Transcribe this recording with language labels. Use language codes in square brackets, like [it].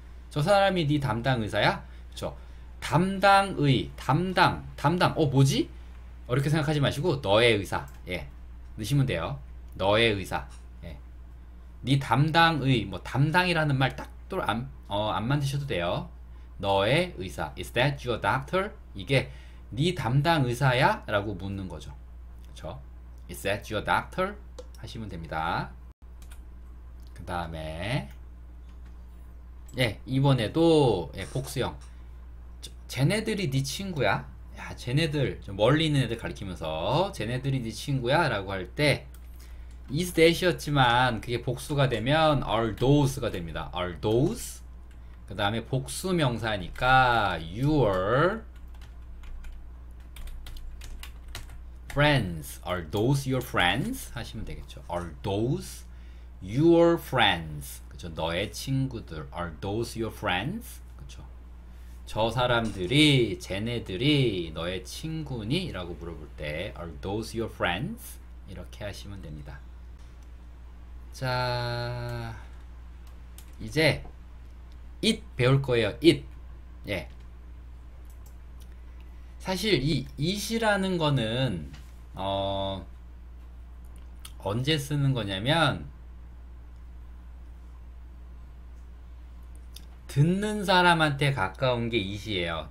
[ko] 저 사람이 네 담당 의사야? 그쵸. 담당 의. 담당. 담당. 뭐지? 어렵게 생각하지 마시고 너의 의사 예 넣으시면 돼요. 너의 의사 예니 담당의 뭐 담당이라는 말딱또안어안 만드셔도 돼요. 너의 의사 [en] Is that your doctor? [ko] 이게 니 담당 의사야? 라고 묻는 거죠. 그쵸? [en] Is that your doctor? [ko] 하시면 됩니다. 그 다음에 예 이번에도 예 복수형 쟤네들이 니 친구야? 야, 쟤네들, 좀 멀리 있는 애들 가리키면서, 쟤네들이 네 친구야? 라고 할 때, is that이었지만, 그게 복수가 되면, [en] are those [ko] 가 됩니다. are those? 그 다음에 복수 명사니까, [en] your friends. are those your friends? [ko] 하시면 되겠죠. [en] are those your friends? 그쵸. [ko] 너의 친구들. [en] are those your friends? [ko] 저 사람들이, 쟤네들이 너의 친구니? 라고 물어볼 때, [en] Are those your friends? [ko] 이렇게 하시면 됩니다. 자, 이제, it 배울 거예요, it. 예. 사실, 이 it이라는 거는, 언제 쓰는 거냐면, 듣는 사람한테 가까운 게 이시예요.